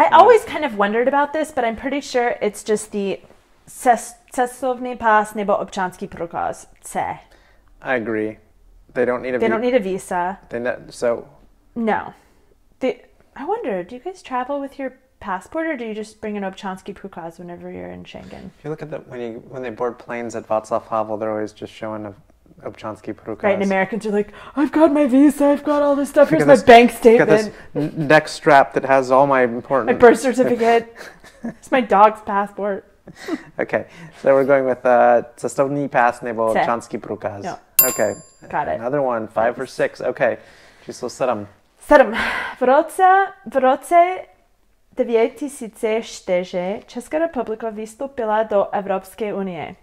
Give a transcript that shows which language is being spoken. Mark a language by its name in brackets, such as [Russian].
[English] I always kind of wondered about this, but I'm pretty sure it's just the [Czech] cestovní pas nebo občanský průkaz C. [English] I agree. They don't need a visa. They don't need a visa. No. I wonder, do you guys travel with your passport or do you just bring an občanský průkaz whenever you're in Schengen? If you look at the when they board planes at Václav Havel, they're always just showing a občanský průkaz. Right, and Americans are like, I've got my visa, I've got all this stuff, here's my bank statement. I've got this neck strap that has all my important... My birth certificate. It's my dog's passport. Okay, so we're going with [Czech] cestovní pas nebo občanský průkaz. [English] Okay. Got it. Another one, five or six. Okay, [Czech] číslo sedm. Sedm. V roce 2004 Česká republika vystoupila do Evropské unie.